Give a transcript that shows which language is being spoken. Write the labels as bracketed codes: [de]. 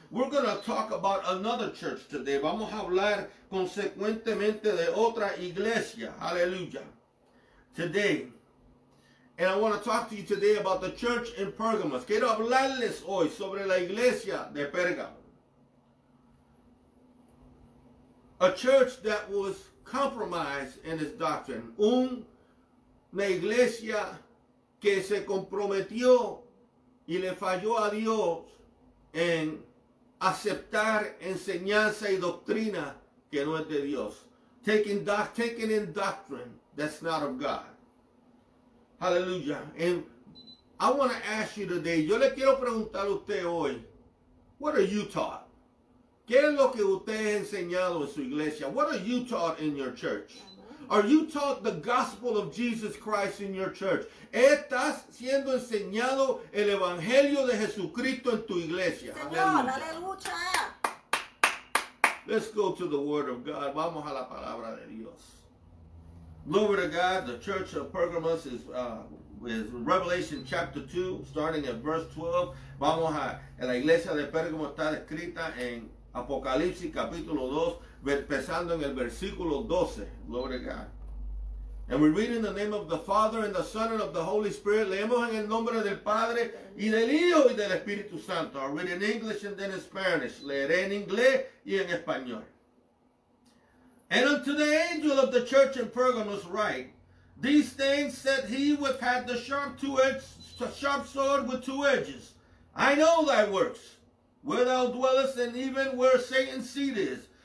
[en] We're going to talk about another church today. [es] Vamos a hablar consecuentemente de otra iglesia. [en] Hallelujah. Today. And I want to talk to you today about the church in Pergamos. [es] Quiero hablarles hoy sobre la iglesia de Pérgamo. [en] A church that was compromised in its doctrine. [es] Una iglesia que se comprometió y le falló a Dios en aceptar enseñanza y doctrina que no es de Dios. [en] Taking in doctrine that's not of God. Hallelujah. And I want to ask you today, [es] yo le quiero preguntar a usted hoy, [en] what are you taught? [es] ¿Qué es lo que usted ha enseñado en su iglesia? [en] What are you taught in your church? Are you taught the gospel of Jesus Christ in your church? [es] ¿Estás siendo enseñado el evangelio de Jesucristo en tu iglesia? Señor, aleluya. [en] Let's go to the word of God. [es] Vamos a la palabra de Dios. [en] Glory to God, the church of Pergamos is Revelation chapter 2, starting at verse 12. [es] Vamos a, la iglesia de Pérgamo está escrita en Apocalipsis capítulo 2, empezando en el versículo 12. [en] Glory to God. And we read in the name of the Father, and the Son, and of the Holy Spirit. [es] Leemos en el nombre del Padre, y del Hijo, y del Espíritu Santo. [en] I'll read in English and then in Spanish. [es] Leeré en inglés y en español. [en] And unto the angel of the church in Pergamos write, these things said he which had the sharp sword with two edges. I know thy works, where thou dwellest, and even where Satan's seat is.